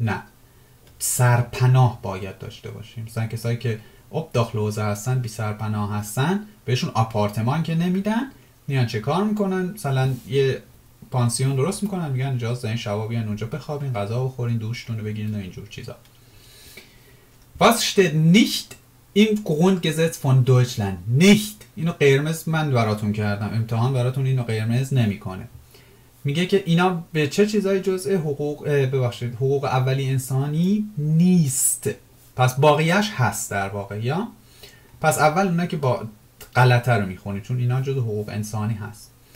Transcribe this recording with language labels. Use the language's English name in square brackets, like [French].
[Persian] نه سرپناه باید داشته باشی. مثلا کسایی که اب داخلوزه هستن، بی سرپناه هستن، بهشون آپارتمان که نمیدن، میان چه کار میکنن؟ مثلا یه پانسیون درست میکنن، میگن اجازه دارین شبا بیان اونجا بخوابین، غذا بخورین، دوشتون رو بگیرین و اینجور چیزا. [German] Was steht nicht im Grundgesetz von Deutschland? Nicht. [Persian] اینو قرمز من براتون کردم، امتحان براتون اینو قرمز نمیکنه. میگه که اینا به چه چیزای جزء حقوق، ببخشید، حقوق اولی انسانی نیست. پس باقیش هست در واقع. یا پس اول اونا که با غلطه رو میخونی، چون اینا جزء حقوق انسانی هست.